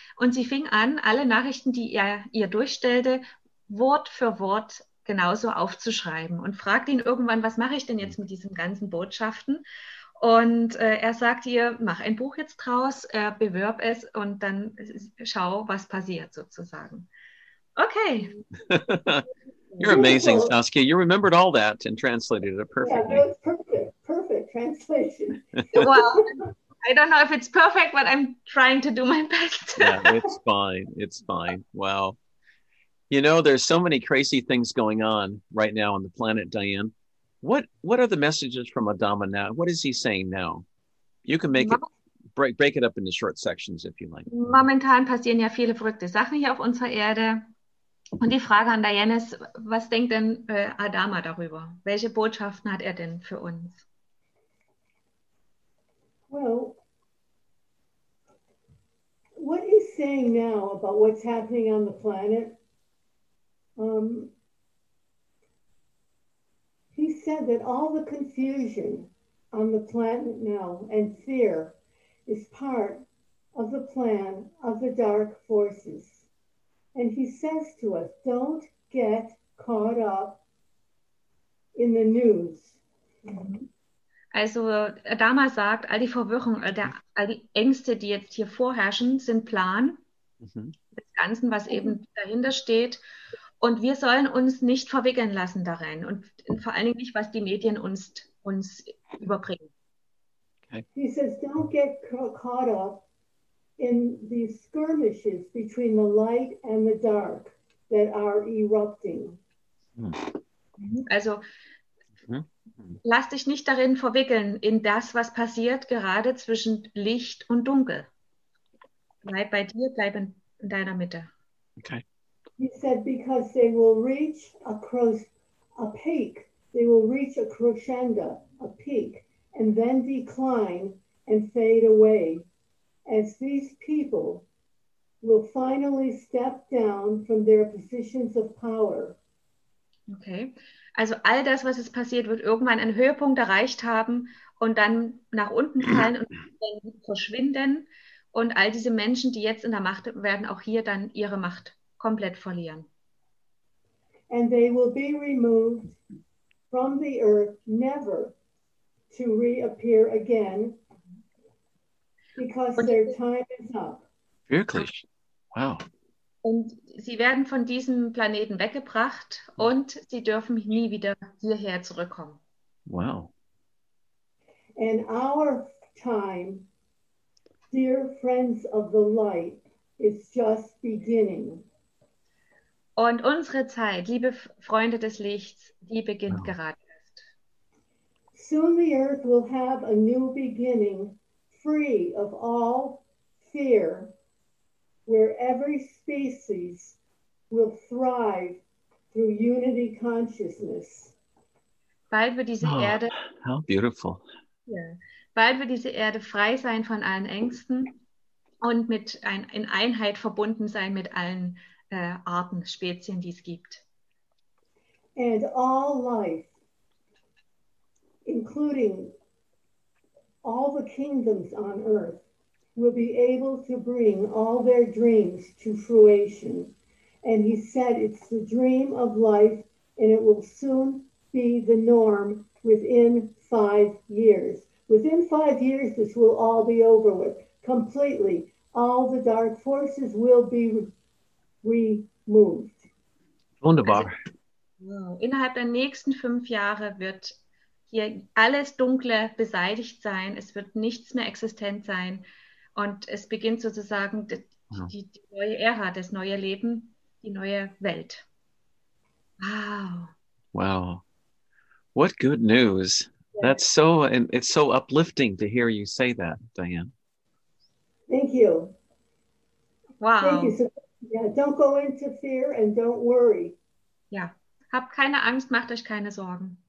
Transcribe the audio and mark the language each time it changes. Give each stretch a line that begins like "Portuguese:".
German: Und sie fing an, alle Nachrichten, die er ihr durchstellte, Wort für Wort genauso aufzuschreiben und fragte ihn irgendwann, was mache ich denn jetzt mit diesen ganzen Botschaften? Und er sagte ihr, mach ein Buch jetzt draus, bewirb es und dann schau, was passiert sozusagen. Okay.
English: You're amazing, Saskia. You remembered all that and translated it perfectly. Yeah, it was perfect translation. Well, I don't know if it's perfect, but I'm trying to do my best. Yeah, it's fine. It's fine. Wow. You know, there's so many crazy things going on right now on the planet, Diane. What are the messages from Adama now? What is he saying now? You can make it break it up into short sections if you like.
German: Momentan passieren ja viele verrückte Sachen hier auf unserer Erde. Und die Frage an Diane ist, was denkt denn Adama darüber? Welche Botschaften hat er denn für uns?
English: Well, what he's saying now about what's happening on the planet, he said that all the confusion on the planet now and fear is part of the plan of the dark forces. And he says to us, don't get caught up in the news.
German: Also Adama sagt, all die Verwirrung, all die Ängste, die jetzt hier vorherrschen, sind Plan des Ganzen, was eben dahinter steht. Und wir sollen uns nicht verwickeln lassen darin und vor allen Dingen nicht, was die Medien uns überbringen. Okay.
English: He says, don't get caught up in these skirmishes between the light and the dark that are erupting.
German: Also, lass dich nicht darin verwickeln, in das, was passiert, gerade zwischen Licht und Dunkel. Bleib bei dir, bleib in deiner Mitte. Okay.
English: He said, because they will reach across a peak, they will reach a crescendo, a peak, and then decline and fade away, as these people will finally step down from their positions of power. Okay.
German: Also all das, was es passiert, wird irgendwann einen Höhepunkt erreicht haben und dann nach unten fallen und verschwinden. Und all diese Menschen, die jetzt in der Macht sind, werden auch hier dann ihre Macht komplett verlieren.
English: And they will be removed from the earth, never to reappear again, because their time is up.
German: Wirklich? Wow. Und sie werden von diesem Planeten weggebracht und sie dürfen nie wieder hierher zurückkommen.
English: Wow. And our time, dear friends of the light, is just beginning.
German: Und unsere Zeit, liebe Freunde des Lichts, die beginnt gerade erst.
English: Soon the earth will have a new beginning, free of all fear, where every species will thrive through unity consciousness.
German: Bald wird diese Erde,
English: how beautiful. Yeah.
German: Bald wird diese Erde frei sein von allen Ängsten und mit in Einheit verbunden sein mit allen Arten, Spezien, die es gibt.
English: And all life, including all the kingdoms on earth, will be able to bring all their dreams to fruition. And he said it's the dream of life and it will soon be the norm within 5 years. Within 5 years, this will all be over with completely. All the dark forces will be removed.
German: Wunderbar. Innerhalb der nächsten 5 Jahre wird hier alles Dunkle beseitigt sein. Es wird nichts mehr existent sein. Und es beginnt sozusagen die neue Ära, das neue Leben, die neue Welt.
English: Wow. Wow. What good news. Yeah. That's so, and it's so uplifting to hear you say that, Diane. Thank you. Wow. Thank you. Don't go into fear and don't worry.
German: Yeah. Hab keine Angst, macht euch keine Sorgen.